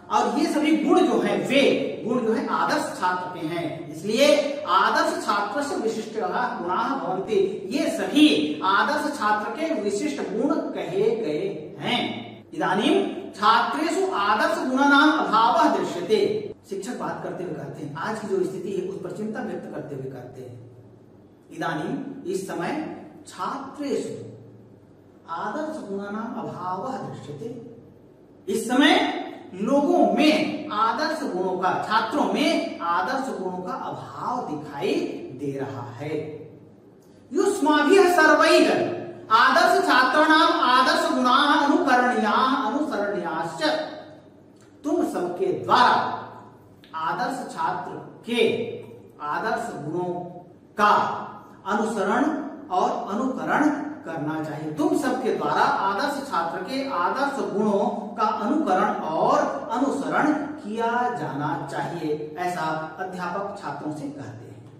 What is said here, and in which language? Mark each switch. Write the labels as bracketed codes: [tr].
[hi] और ये सभी गुण जो है वे गुण जो है आदर्श छात्र के हैं, इसलिए आदर्श छात्र से विशिष्ट [sa] गुणाः भवन्ति, [hi] ये सभी आदर्श छात्र के विशिष्ट गुण कहे गए हैं। [sa] इदानीं छात्रेषु आदर्श गुणानां अभावः दृश्यते, [hi] शिक्षक बात करते हुए कहते हैं आज की जो स्थिति है उस पर चिंता व्यक्त करते हुए कहते हैं [sa] इदानीं [hi] इस समय [sa] छात्रेषु आदर्श गुणानां अभावः दृश्यते। [hi] इस समय लोगों में आदर्श गुणों का, छात्रों में आदर्श गुणों का अभाव दिखाई दे रहा है। [sa] युष्माभिः सर्वैः आदर्श छात्राणाम आदर्श गुणाः अनुकरणीयाः अनुसरणीयाश्च। [hi] तुम सबके द्वारा आदर्श छात्र के आदर्श गुणों का अनुसरण और अनुकरण करना चाहिए। तुम सबके द्वारा आदर्श छात्र के आदर्श गुणों का अनुकरण और अनुसरण किया जाना चाहिए, ऐसा अध्यापक छात्रों से कहते हैं।